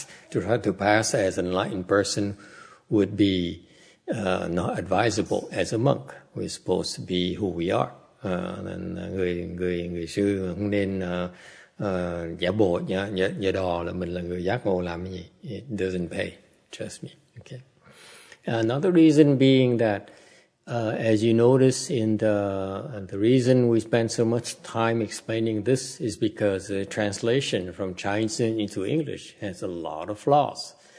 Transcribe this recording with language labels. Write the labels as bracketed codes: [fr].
[en] To try to pass as an enlightened person would be not advisable as a monk. We're supposed to be who we are. [vi] Người sư không nên giả bộ nhá, giả đò là mình là người giác ngộ làm cái gì. [en] It doesn't pay, trust me. Okay. Another reason being that as you notice in the reason we spend so much time explaining this is because the translation from Chinese into English has a lot of flaws.